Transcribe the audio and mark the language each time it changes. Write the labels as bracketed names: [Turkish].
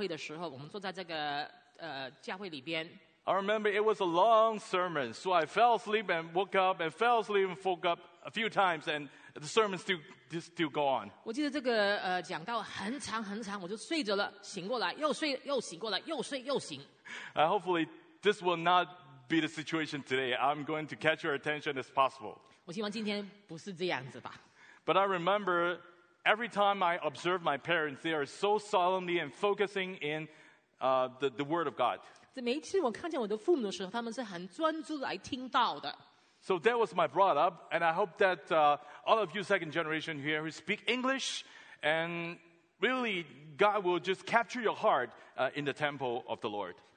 [Chinese] 我还记得跟我的爸爸妈妈一起去上教会的时候，我们坐在这个教会里边。 [English] I remember it was a long sermon, so I fell asleep and woke up, and fell asleep and woke up a few times, and the sermon still go on. [Chinese] 我记得这个讲到很长很长，我就睡着了，醒过来又睡，又醒过来又睡又醒。 [English] Hopefully this will not be the situation today. I'm going to catch your attention as possible. [Chinese] 我希望今天不是这样子吧。 [English] But I remember every time I observe my parents, they are so solemnly and focusing in the word of God. [Chinese] 每一次我看见我的父母的时候，他们是很专注来听到的。So [English] that was my brought up, and I hope that all of you second generation here who speak English, and really God will just capture your heart in the temple of the Lord.